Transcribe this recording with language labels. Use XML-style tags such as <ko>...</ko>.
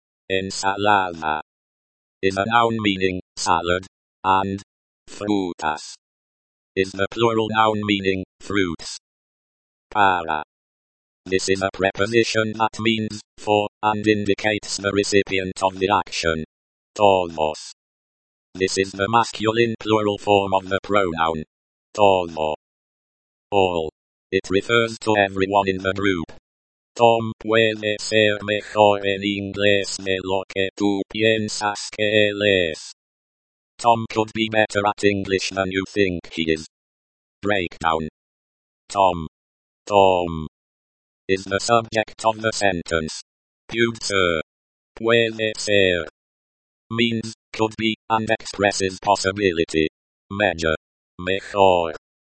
<en>Ensalada is a noun meaning salad and frutas is the plural noun meaning fruits. Para. This is a preposition that means for and indicates the recipient of the action. Todos. This is the masculine plural form of the pronoun. Todo. All. It refers to everyone in the group.</en> <es>Tom puede ser mejor en inglés de lo que tú piensas que él es.</es> <en>Tom could be better at English than you think he is. Breakdown. Tom. Is the subject of the sentence. Pewter. Puede ser. Means, could be, and expresses possibility. Major. Mejor.</en>